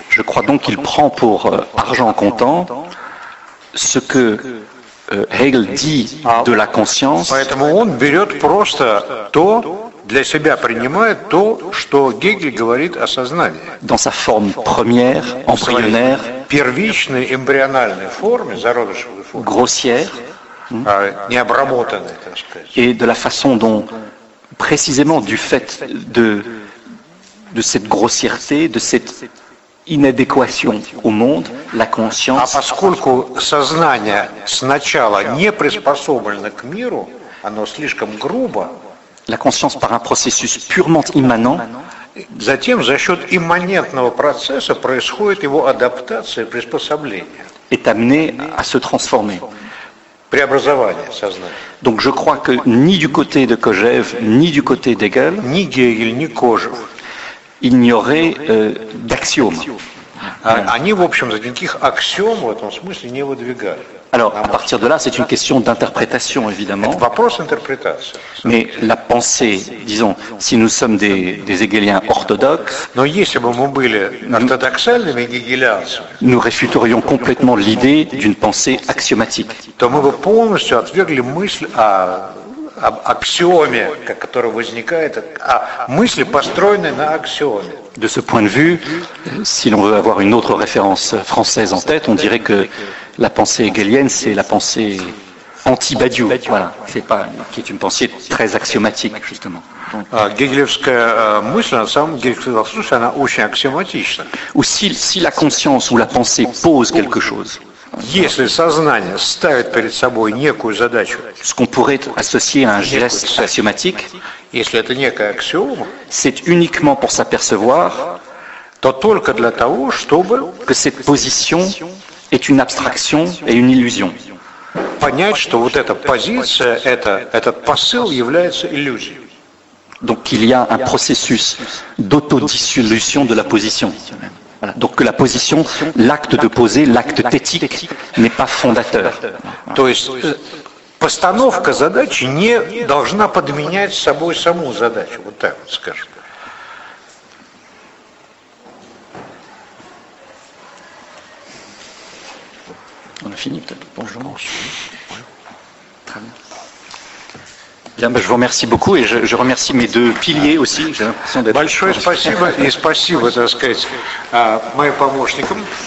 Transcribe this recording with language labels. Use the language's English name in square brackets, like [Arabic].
[French] Je crois donc qu'il prend pour argent comptant ce que Hegel dit de la conscience. [Russian] Поэтому он берет просто то, для себя принимает то, что Гегель говорит о сознании. [French] Dans sa forme première, embryonnaire, [Russian] первичной эмбриональной форме, зародышевой форме, [French] grossière, [Russian] необработанной, так сказать. [French] Et de la façon dont, précisément du fait de cette grossièreté, de cette inadéquation au monde, la conscience. [Russian] А поскольку сознание сначала не приспособлено к миру, оно слишком грубо. [French] La conscience par un processus purement immanent. [Russian] Затем за счет имманентного процесса происходит его адаптация, приспособление. [French] Est amené à se transformer. [Russian] Преобразование сознания. [French] Donc je crois que ni du côté de Кожев, ni du côté d'Hegel, [Russian] ni Гегель, ни Кожев, [French] il n'y aurait d'axiome. [Russian] Они, в общем-то, никаких аксиом в этом смысле не выдвигали. [French] Alors, à partir de là, c'est une question d'interprétation, évidemment. [Russian] Это вопрос интерпретации. [French] Mais la pensée, disons, si nous sommes des Hegeliens orthodoxes, [Russian] но если бы мы были ортодоксальными гегелианцами, [French] nous réfuterions complètement l'idée d'une pensée axiomatique. [Russian] То мы бы полностью отвергли мысль об аксиоме, которая возникает, а мысли, построенные на аксиоме. [French] De ce point de vue, si l'on veut avoir une autre référence française en tête, on dirait que la pensée hegelienne, c'est la pensée anti-Badiou. Voilà, qui est une pensée très axiomatique, justement. [Russian] Гегелевская мысль, на самом деле, Гегелевская философия, она очень аксиоматична. [French] Ou si la conscience ou la pensée pose quelque chose. [Russian] Если сознание ставит перед собой некую задачу, [French] ce qu'on pourrait associer à un geste axiomatique, [Russian] если это некая аксиома, [French] c'est uniquement pour s'apercevoir, [Russian] то только для того, чтобы, [French] que cette position est une abstraction et une illusion. [Russian] Понять, что вот эта позиция, этот посыл является иллюзией. [French] Donc qu'il y a un processus d'autodissolution de la position. Voilà. Donc que la position, l'acte de poser, l'acte tétique, n'est pas fondateur. [Russian] То есть постановка задачи не должна подменять собой саму задачу. Вот так вот скажем. [French] On a fini peut-être. Bonjour. Très bien. Bien, ben, je vous remercie beaucoup et je remercie mes deux piliers aussi. [Russian] Большое спасибо, и спасибо, так сказать, моим помощникам.